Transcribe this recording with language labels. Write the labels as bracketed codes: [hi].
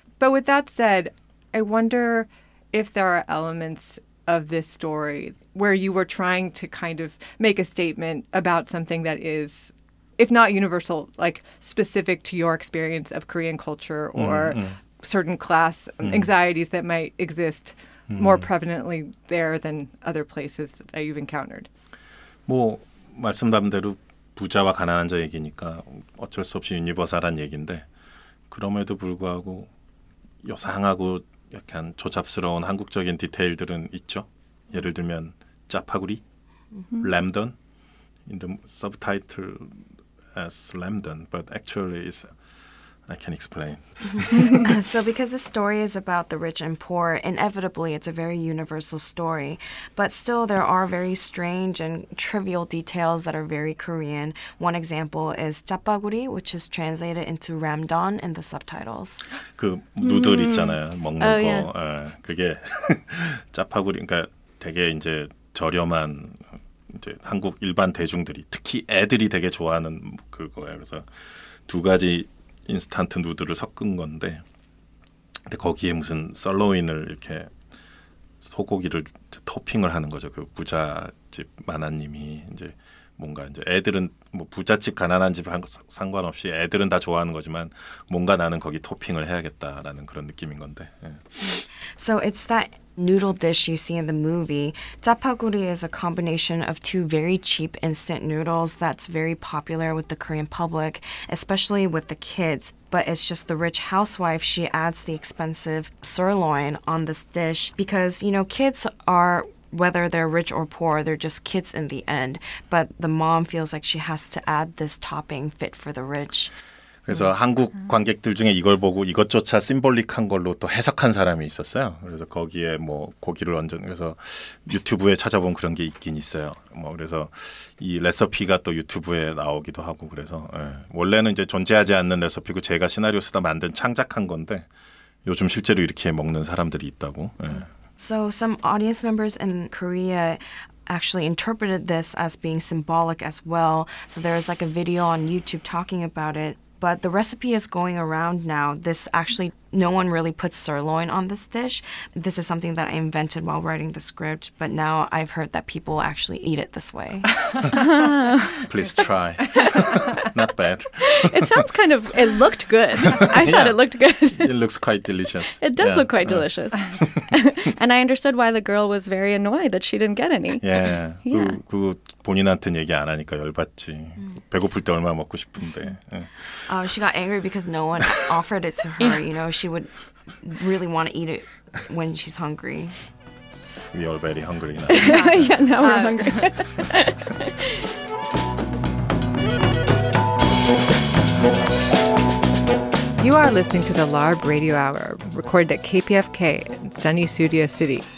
[en] But with that said, I wonder if there are elements of this story where you were trying to kind of make a statement about something that is, if not universal, like specific to your experience of Korean culture or certain class anxieties that might exist more prevalently there than other places that you've encountered. [ko] 뭐 말씀드린 대로 부자와 가난한 자 얘기니까 어쩔 수 없이 유니버설한 얘기인데 그럼에도 불구하고 요상하고 약간 조잡스러운 한국적인 디테일들은 있죠. 예를 들면 [en] 짜파구리, 램던, in the subtitle as 램던, but actually it's, I can explain. So because the story is about the rich and poor, inevitably it's a very universal story, but still there are very strange and trivial details that are very Korean. One example is 짜파구리, which is translated into 램던 in the subtitles. [ko] 그 누들 있잖아요. 먹는 거. 예, 그게 짜파구리, 그러니까 되게 이제 저렴한 이제 한국 일반 대중들이, 특히 애들이 되게 좋아하는 그거예요. 그래서 두 가지 인스턴트 누드를 섞은 건데 근데 거기에 무슨 썰로인을 이렇게 소고기를 토핑을 하는 거죠. 그 부잣집 마나님이 이제 뭔가 이제 애들은 뭐 부잣집 가난한 집 상관없이 애들은 다 좋아하는 거지만 뭔가 나는 거기 토핑을 해야겠다라는 그런 느낌인 건데. 예. [en] So it's that noodle dish you see in the movie. Jjapaguri is a combination of two very cheap instant noodles that's very popular with the Korean public, especially with the kids. But it's just the rich housewife, she adds the expensive sirloin on this dish because, you know, kids are, whether they're rich or poor, they're just kids in the end. But the mom feels like she has to add this topping fit for the rich. [ko] 그래서 한국 관객들 중에 이걸 보고 이것조차 심볼릭한 걸로 또 해석한 사람이 있었어요. 그래서 거기에 뭐 고기를 얹은, 그래서 유튜브에 찾아본 그런 게 있긴 있어요. 뭐 그래서 이 레시피가 또 유튜브에 나오기도 하고 그래서 예. 원래는 이제 존재하지 않는 레시피고 제가 시나리오 쓰다 만든 창작한 건데 요즘 실제로 이렇게 먹는 사람들이 있다고. 예. [en] So some audience members in Korea actually interpreted this as being symbolic as well. So there is like a video on YouTube talking about it. But the recipe is going around now. This actually, no one really puts sirloin on this dish. This is something that I invented while writing the script. But now I've heard that people actually eat it this way. Please try. Not bad. It sounds kind of, it looked good. I thought yeah. It looked good. It looks quite delicious. It does yeah. look quite delicious. And I understood why the girl was very annoyed that she didn't get any. Yeah. Yeah. [ko] 그 본인한테는 얘기 안 하니까 열받지. 배고플 때 얼마나 먹고 싶은데. [en] Yeah. She got angry because no one offered it to her, you know. She would really want to eat it when she's hungry. We are very hungry now. Yeah, now we're hungry. You are listening to the LARB Radio Hour, recorded at KPFK in sunny Studio City.